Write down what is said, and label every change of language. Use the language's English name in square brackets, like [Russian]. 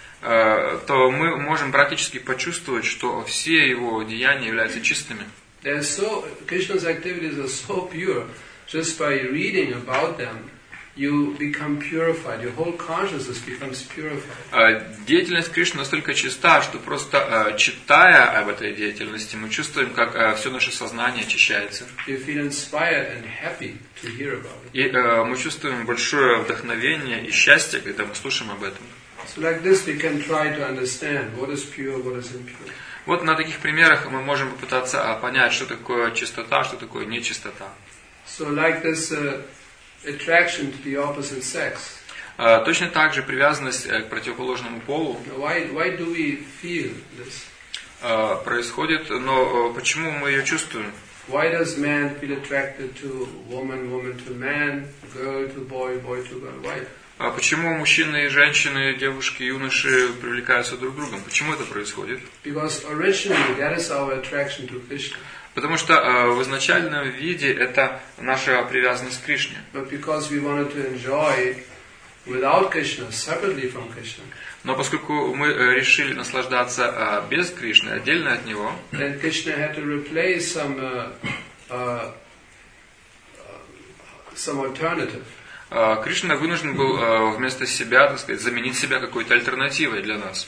[Russian] То мы можем практически почувствовать, что все его деяния являются чистыми. [English] They're so Krishna's activities are so pure. Just by reading about them, you become purified. Your whole consciousness becomes purified. [Russian] Деятельность Кришны настолько чиста, что просто читая об этой деятельности, мы чувствуем, как все наше сознание очищается. [English] You feel inspired and happy to hear about it. [Russian] И мы чувствуем большое вдохновение и счастье, когда мы слушаем об этом. [English] So like this, we can try to understand what is pure, what is impure. [Russian] Вот на таких примерах мы можем попытаться понять, что такое чистота, что такое нечистота. [English] So like this. Attraction to the opposite sex. [Russian] Точно так же привязанность к противоположному полу. [English] Why do we feel this? [Russian] Происходит, но почему мы ее чувствуем? [English] Why does man feel attracted to woman, woman to man, girl to boy, boy to girl? Why? [Russian] Почему мужчины и женщины, девушки и юноши привлекаются друг к другу? Почему это происходит? [English] Because originally that is our attraction to Krishna. [Russian] Потому что в изначальном виде это наша привязанность к Кришне. [English] But because we wanted to enjoy without Krishna, separately from Krishna. [Russian] Но поскольку мы решили наслаждаться без Кришны, отдельно от него. [English] Then Krishna had to replace some alternative. [Russian] Кришна вынужден был вместо себя, так сказать, заменить себя какой-то альтернативой для нас.